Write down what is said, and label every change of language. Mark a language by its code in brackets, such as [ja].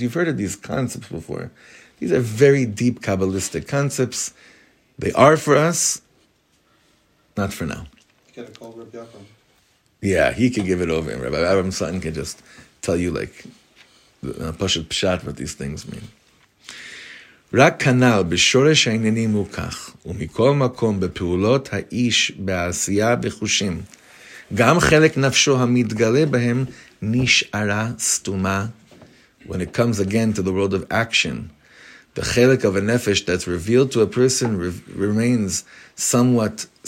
[en] You've heard of these concepts before. These are very deep Kabbalistic concepts. They are for us, not for now. Get a call, Rabbi Yaakov. Yeah, he could give it over. Rabbi Abraham Sutton can just tell you like the pashut pshat what these things mean. [he] רק כנל בשורש העניינים מוכח, ומכל מקום בפעולות האיש בעשייה וחושים, גם חלק נפשו המתגלה בהם נשארה סתומה. [en] When it comes again to the world of action, the חלק of a nefesh that's revealed to a person remains somewhat